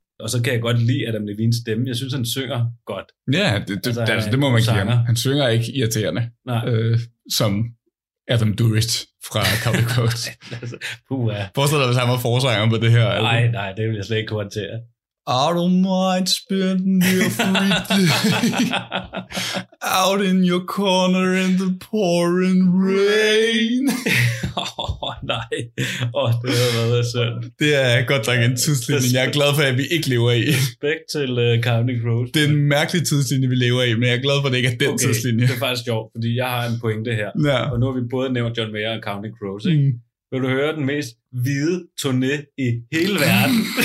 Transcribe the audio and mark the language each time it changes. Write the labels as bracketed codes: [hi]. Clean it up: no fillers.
[da] Og så kan jeg godt lide Adam Levins stemme. Jeg synes, han synger godt. Ja, det må man sanger. Give ham. Han synger ikke irriterende. Nej. Som Adam Duritz fra Cowboy Coats. Forstår du, hvis han var forsanger på det her album? Nej, det vil jeg slet ikke kunne håndtere. [en] I don't mind spending your free day out in your corner in the pouring rain. [da] Det har været synd. Det er godt nok en tidslinje, jeg er glad for, at vi ikke lever i. Respekt til Counting Crows. Det er en mærkelig tidslinje, vi lever i, men jeg er glad for, at det ikke er den tidslinje. Det er faktisk sjovt, fordi jeg har en pointe her. Ja. Og nu har vi både nævnt John Mayer og Counting Crows. Ikke? Mm. Vil du høre den mest hvide turné i hele verden?